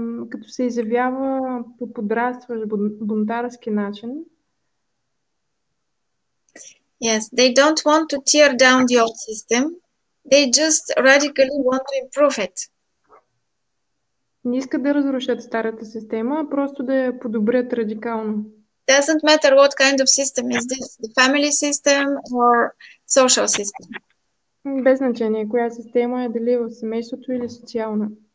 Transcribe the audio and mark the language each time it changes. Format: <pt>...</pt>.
<bg>Като се изявява по подрастващ бунтарски начин.</bg> <en>Yes, they don't want to tear down the old system. They just radically want to improve it.</en> <bg>Не искат да разрушат старата система, а просто да я подобрят радикално.</bg> <en>Doesn't matter what kind of system is this, the family system or social system.</en> <bg>Без значение коя система е, дали в семейството или социална.</bg>